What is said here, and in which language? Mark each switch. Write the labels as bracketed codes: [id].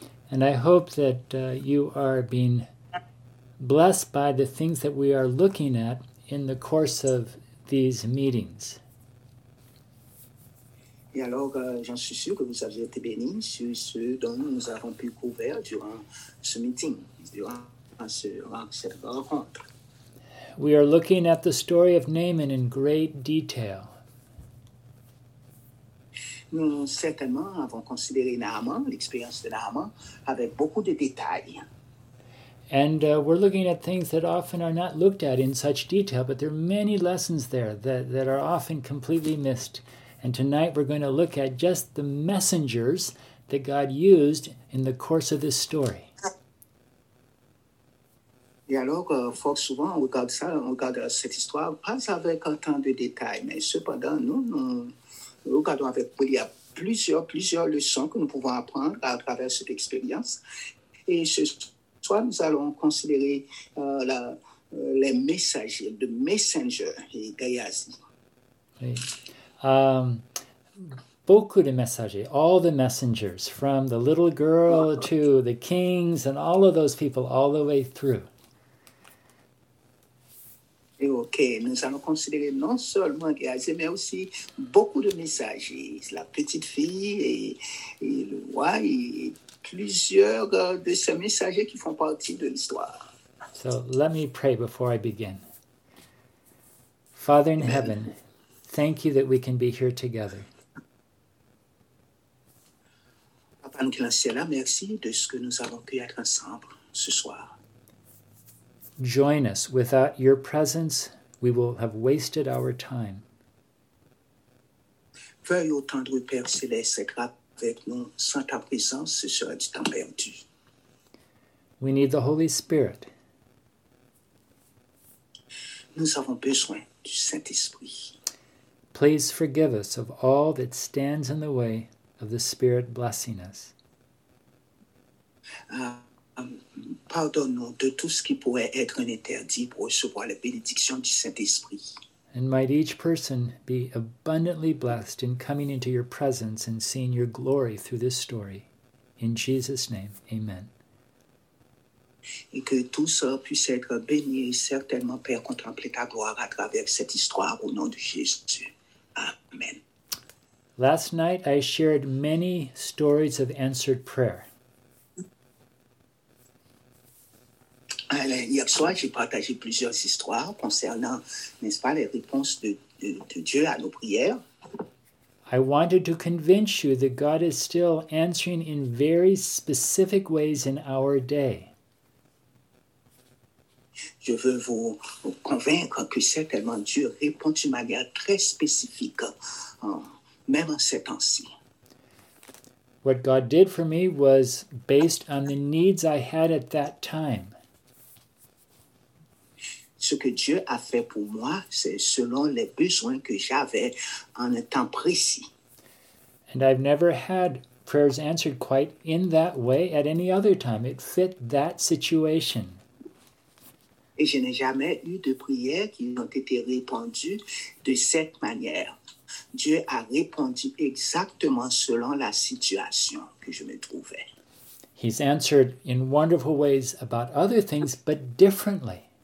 [en] I hope that you are being blessed by the things that we are looking at in the course of these meetings. [fr] Et alors, j'en suis sûr que vous avez été bénis sur ce dont nous avons pu couvrir durant ce meeting, durant cette rencontre. [en] We are looking at the story of Naaman in great detail. [fr] Nous certainement avons considéré Naaman, l'expérience de Naaman, avec beaucoup de détails. [en] And we're looking at things that often are not looked at in such detail, but there are many lessons there that are often completely missed. And tonight we're going to look at just the messengers that God used in the course of this story. [fr] Et alors, fort souvent, on regarde ça, on regarde cette histoire, pas avec autant de détails, mais cependant, nous regardons avec, il y a plusieurs leçons que nous pouvons apprendre à travers cette expérience. Et ce soir, nous allons considérer les messagers, [en] the messenger [fr] et Gehazi. Beaucoup de messagers, [en] all the messengers, from the little girl to the kings and all of those people, all the way through. [fr] Et OK, nous allons considérer non seulement Gehazi, mais aussi beaucoup de messagers, la petite fille et le roi et plusieurs de ces messagers qui font partie de l'histoire. [en] So let me pray before I begin. Father in heaven, thank you that we can be here together. [fr] Papa nous qui en ciel, merci de ce que nous avons pu être ensemble ce soir. [en] Join us. Without your presence, we will have wasted our time. [fr] Veuille, ô tendre Père Céleste, être avec nous. Sans ta présence, ce sera du temps perdu. [en] We need the Holy Spirit. [fr] Nous avons besoin du Saint-Esprit. [en] Please forgive us of all that stands in the way of the Spirit blessing us. [fr] Pardonne-nous de tout ce qui pourrait être un interdit pour recevoir la bénédiction du Saint-Esprit. [en] And might each person be abundantly blessed in coming into your presence and seeing your glory through this story. In Jesus' name, amen. [fr] Et que tout ça puisse être béni et certainement, Père, contempler ta gloire à travers cette histoire au nom de Jésus. Amen. [en] Last night, I shared many stories of answered prayer. [fr] Hier soir, j'ai partagé plusieurs histoires concernant, n'est-ce pas, les réponses de Dieu à nos prières. [en] I wanted to convince you that God is still answering in very specific ways in our day. [fr] Je veux vous convaincre que certainement Dieu répond d'une manière très spécifique, même en ces temps-ci. [en] What God did for me was based on the needs I had at that time. [fr] Ce que Dieu a fait pour moi, c'est selon les besoins que j'avais en un temps précis. [en] And I've never had prayers answered quite in that way at any other time. It fit that situation. [fr] Et je n'ai jamais eu de prières qui ont été répondues de cette manière. Dieu a répondu exactement selon la situation que je me trouvais. [en] He's answered in wonderful ways about other things, but differently.